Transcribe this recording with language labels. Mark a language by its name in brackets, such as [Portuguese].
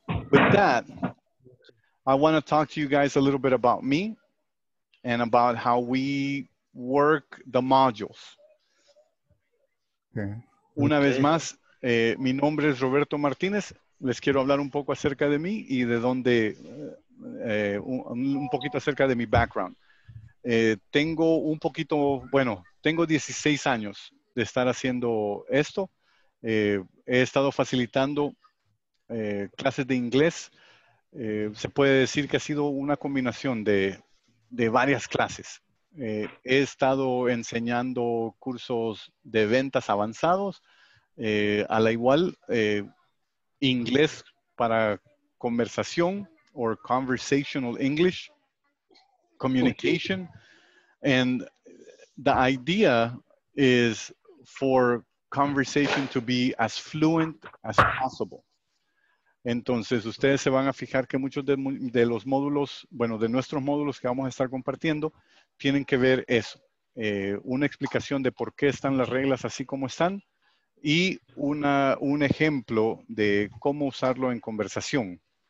[English] With that, I want to talk to you guys a little bit about me and about how we work the modules. Okay. [Spanish] Una vez más, mi nombre es Roberto Martínez. Les quiero hablar un poco acerca de mí y de dónde, un poquito acerca de mi background. Tengo un poquito, bueno, tengo 16 años de estar haciendo esto. He estado facilitando clases de inglés. Se puede decir que ha sido una combinación de varias clases. He estado enseñando cursos de ventas avanzados, a la igual inglés para conversación [English] or conversational English, communication. Okay. And the idea is for conversation to be as fluent as possible. [Spanish] Entonces, ustedes se van a fijar que muchos de los módulos, bueno, de nuestros módulos que vamos a estar compartiendo, tienen que ver eso. Una explicación de por qué están las reglas así como están y un ejemplo de cómo usarlo en conversación.